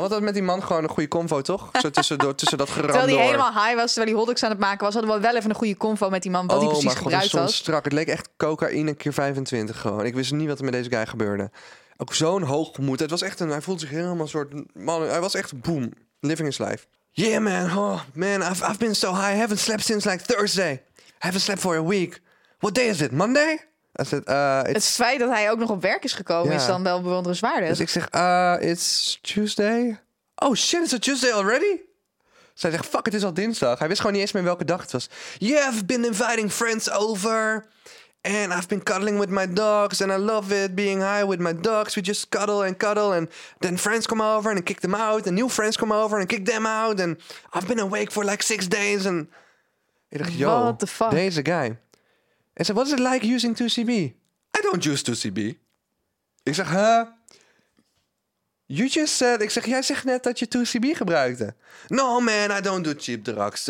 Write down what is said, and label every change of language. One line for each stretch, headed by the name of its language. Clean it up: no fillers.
Dutch: Want dat met die man gewoon een goede convo, toch? Zo tussen dat geram door. Terwijl hij helemaal high was, terwijl hij holdings aan het maken was, hadden we wel even een goede convo met die man, wat hij precies gebruikt was. Oh, maar god, het strak. Het leek echt cocaïne keer 25 gewoon. Ik wist niet wat er met deze guy gebeurde. Ook zo'n hoogmoed. Het was echt hij voelde zich helemaal een soort man. Hij was echt boom.
English: Living his life. Yeah, man. Oh, man. I've been so high. I haven't slept since like Thursday. I haven't slept for a week. What day is it? Monday?
Dutch: Het feit dat hij ook nog op werk is gekomen, yeah, is dan wel bewonderenswaardig. Dus ik zeg,
English: it's Tuesday. Oh shit,
Dutch: is het
English: Tuesday already?
Dutch: Zij zegt, fuck, het is al dinsdag. Hij wist gewoon niet eens meer welke dag het was.
English: Yeah, I've been inviting friends over. And I've been cuddling with my dogs. And I love it, being high with my dogs. We just cuddle. And then friends come over and I kick them out. And new friends come over and kick them out. And I've been awake for like 6 days.
Dutch: En ik dacht,
English: yo, what the fuck?
Dutch: Deze guy. Hij zei,
English: what is it like using 2CB? I don't use 2CB.
Dutch: Ik zeg, huh?
English: You just said,
Dutch: ik zeg, jij zegt net dat je 2CB gebruikte.
English: No man, I don't do cheap drugs.